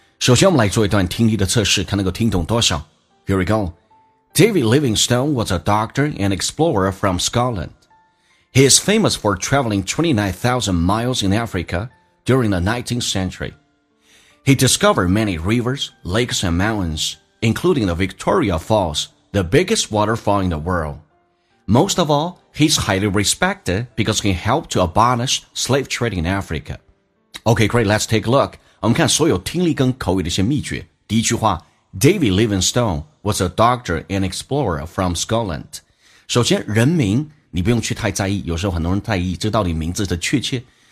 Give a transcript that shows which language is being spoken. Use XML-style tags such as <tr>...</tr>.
<zh>首先我们来做一段听力的测试，看能够听懂多少。</zh> <en>Here we go. David Livingstone was a doctor and explorer from Scotland. He is famous for traveling 29,000 miles in Africa during the 19th century. He discovered many rivers, lakes and mountains, including the Victoria Falls, the biggest waterfall in the world. Most of all,He's highly respected because he helped to abolish slave trade in Africa. Okay, great, let's take a look.</en> <zh>我们看所有听力跟口语的一些秘诀。第一句话</zh> <en>David Livingstone was a doctor and explorer from Scotland.</en> <zh>首先人名你不用去太在意，有时候很多人在意这到底名字的确切。</zh>